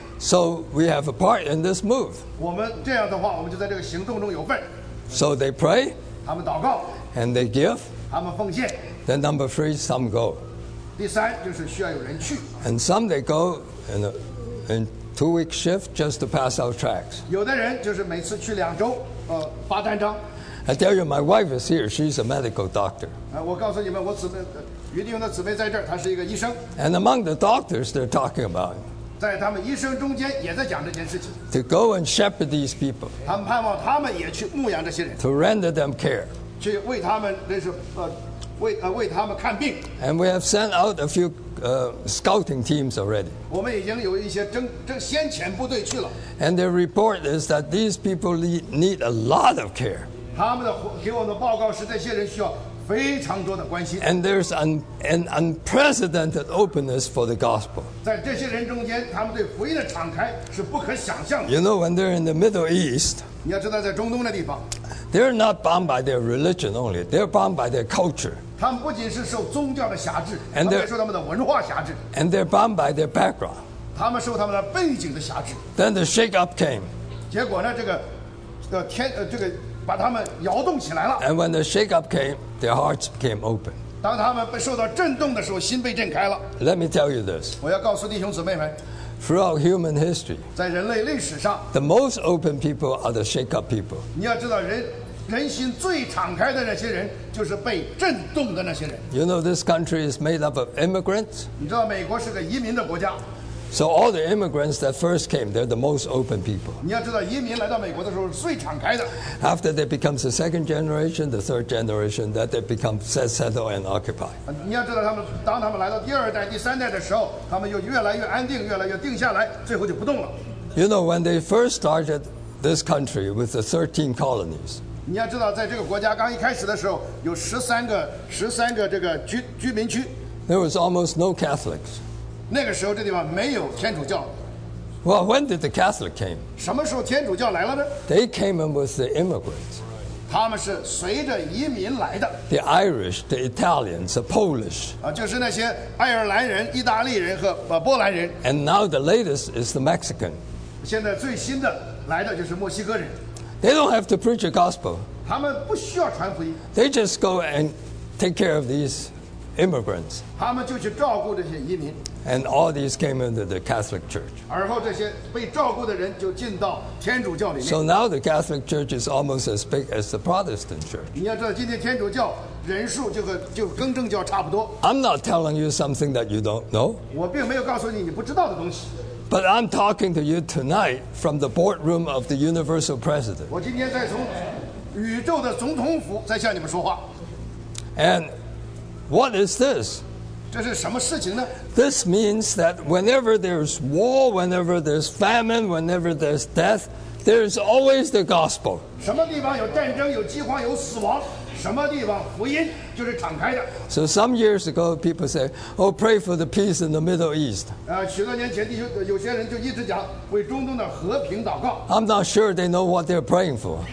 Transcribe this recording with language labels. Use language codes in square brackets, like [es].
[en] So we have a part in this move. [zh] 我们这样的话，我们就在这个行动中有份。 [en] So they pray. [zh] 他们祷告。 [en] And they give. [zh] 他们奉献。 [en] Then number 3, some go. [zh] 第三就是需要有人去。 [en] And some they go in a two-week shift just to pass out tracts. [zh] 有的人就是每次去两周，发单张。 [en] I tell you, my wife is here. She's a medical doctor. [zh] 我告诉你们，我姊妹，于弟兄的姊妹在这儿，她是一个医生。 [en] And among the doctors, they're talking about. [zh] 在他们医生中间也在讲这件事情。 [en] To go and shepherd these people. [zh] 他们盼望他们也去牧养这些人。 [en] To render them care. [zh] 去为他们那是为他们看病。 [en] And we have sent out a few scouting teams already. [zh] 我们已经有一些征先遣部队去了。 [en] And their report is that these people need a lot of care. [zh] 他们的给我们的报告是这些人需要非常多的关心。 [en] And there's an unprecedented openness for the gospel. [zh] 在这些人中间，他们对福音的敞开是不可想象的。 [en] You know, when they're in the Middle East. [zh] 你要知道，在中东的地方。 [en] They're not bound by their religion only. They're bound by their culture. [zh] 他们不仅是受宗教的辖制，他们也受他们的文化辖制。 [en] And they're bound by their background. [zh] 他们受他们的背景的辖制。 [en] Then the shake up came. [zh] 结果呢，这个把他们摇动起来了。 [en] And when the shake up came, their hearts became open. [zh] 当他们被受到震动的时候，心被震开了。 [en] Let me tell you this. [zh] 我要告诉弟兄姊妹们。 [en] Throughout human history, [zh] 在人类历史上 [en] the most open people are the shake-up people. [zh] 你要知道人心最敞开的那些人就是被震动的那些人。 [en] You know this country is made up of immigrants. [zh] 你知道美国是个移民的国家。 [en] So all the immigrants that first came, they're the most open people. [zh] 你要知道移民来到美国的时候是最敞开的。 [en] After they become the second generation, the third generation, that they become settled and occupied. [zh] 你要知道当他们来到第二代、第三代的时候，他们就越来越安定，越来越定下来，最后就不动了。 [en] You know, when they first started this country with the 13 colonies. [zh] 你要知道在这个国家刚一开始的时候有13个这个居民区。 [en] There was almost no Catholics. [zh] 那个时候这地方没有天主教。 [en] Well, when did the Catholic came? [zh] 什么时候天主教来了呢？ [en] They came in with the immigrants. [zh] 他们是随着移民来的。 [en] The Irish, the Italians, the Polish. [zh] 就是那些爱尔兰人、意大利人和波兰人。 [en] And now the latest is the Mexican. [zh] 现在最新的来的就是墨西哥人。 [en] They don't have to preach a gospel. [zh] 他们不需要传福音。 [en] They just go and take care of these immigrants. [zh] 他们就去照顾这些移民。 [en] And all these came into the Catholic Church. [zh] 而后这些被照顾的人就进到天主教里面。 [en] So now the Catholic Church is almost as big as the Protestant Church. [zh] 你要知道，今天天主教人数就跟正教差不多。 [en] I'm not telling you something that you don't know. [zh] 我并没有告诉你不知道的东西。 [en] But I'm talking to you tonight from the boardroom of the Universal President. [zh] 我今天在从宇宙的总统府在向你们说话。 [en] And what is this? [zh] 这是什么事情呢? [en] This means that whenever there's war, whenever there's famine, whenever there's death, there's always the gospel. [zh] 什么地方有战争、有饥荒、有死亡，什么地方福音就是敞开的。 [en] So some years ago, people say, "Oh, pray for the peace in the Middle East." [zh] 许多年前，有些人就一直讲为中东的和平祷告。 [en] I'm not sure they know what they're praying for.